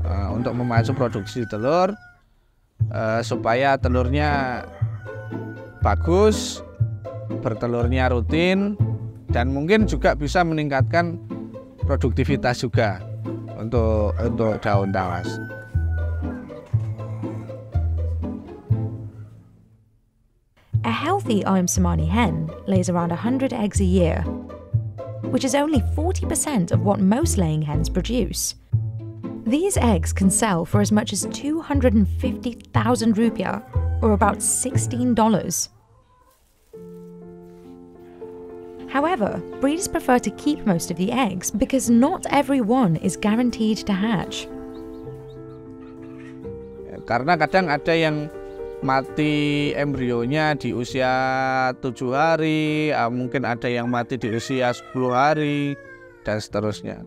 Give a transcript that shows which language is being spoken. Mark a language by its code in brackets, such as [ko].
[id] Untuk memacu produksi telur supaya telurnya bagus, bertelurnya rutin, dan mungkin juga bisa meningkatkan produktivitas juga untuk daun talas. [en] A healthy Ayam Cemani hen lays around 100 eggs a year, which is only 40% of what most laying hens produce. These eggs can sell for as much as 250,000 rupiah, or about $16. However, breeders prefer to keep most of the eggs because not every one is guaranteed to hatch. [id] Karena kadang ada yang mati embrionya di usia 7 hari, mungkin ada yang mati di usia 10 hari, dan seterusnya.